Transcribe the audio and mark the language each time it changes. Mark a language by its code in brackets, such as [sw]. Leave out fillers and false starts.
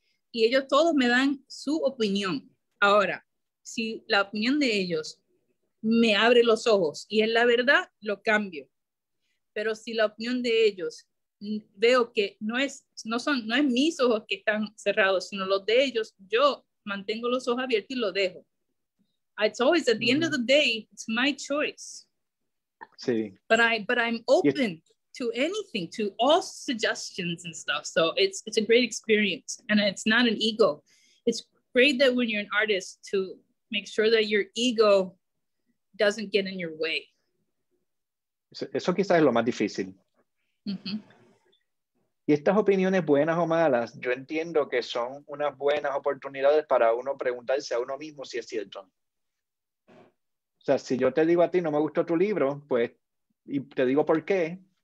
[es] Y ellos todos me dan su opinión. Ahora, si la opinión de ellos me abre los ojos y es la verdad, lo cambio. Pero si la opinión de ellos, veo que no es mis ojos que están cerrados, sino los de ellos, yo mantengo los ojos abiertos y lo dejo. [en] It's always, at the end of the day, it's my choice. [es] Sí. [en] But I'm open. Yeah. To anything, to all suggestions and stuff. So it's a great experience, and it's not an ego. It's great that when you're an artist to make sure that your ego doesn't get in your way. [es] Eso quizás es lo más difícil. Y estas opiniones buenas o malas, yo entiendo que son unas buenas oportunidades para uno preguntarse a uno mismo si es cierto. O sea, si yo te digo a ti no me gustó tu libro, pues, y te digo por qué.